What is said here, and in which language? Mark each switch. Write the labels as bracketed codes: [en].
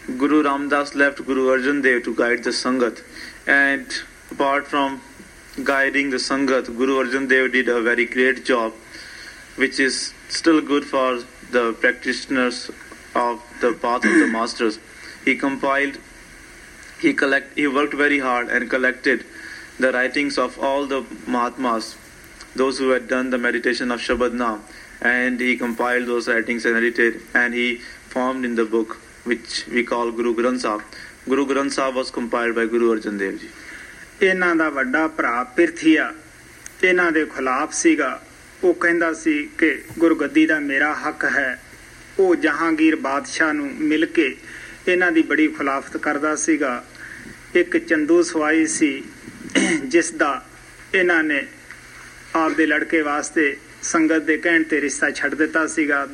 [en] Guru Ramdas left Guru Arjan Dev to guide the sangat and apart from guiding the sangat Guru Arjan Dev did a very great job which is still good for the practitioners of the path of the masters. He compiled he worked very hard and collected the writings of all the mahatmas. Those who had done the meditation of Shabad Naam, and he compiled those writings and edited, and he formed in the book which we call Guru Granth Sahib. Guru Granth Sahib was compiled by Guru Arjan Dev Ji. [pa] ਇਹਨਾਂ ਦਾ ਵੱਡਾ ਭਰਾ ਪਿਰਥੀਆ ਇਹਨਾਂ ਦੇ ਖਿਲਾਫ ਸੀਗਾ. ਉਹ ਕਹਿੰਦਾ ਸੀ ਕਿ ਗੁਰਗੱਦੀ ਦਾ ਮੇਰਾ ਹੱਕ ਹੈ. ਉਹ ਜਹਾਂਗੀਰ ਬਾਦਸ਼ਾਹ ਨੂੰ ਮਿਲ ਕੇ ਇਹਨਾਂ ਦੀ ਬੜੀ ਖਿਲਾਫਤ ਕਰਦਾ ਸੀਗਾ. ਇੱਕ ਚੰਦੂ ਸਵਾਈ ਸੀ ਜਿਸ ਦਾ ਇਹਨਾਂ ਨੇ ਆਪਦੇ ਲੜਕੇ ਵਾਸਤੇ ਸੰਗਤ ਦੇ ਕਹਿਣ 'ਤੇ ਰਿਸ਼ਤਾ ਛੱਡ ਦਿੱਤਾ ਸੀਗਾ.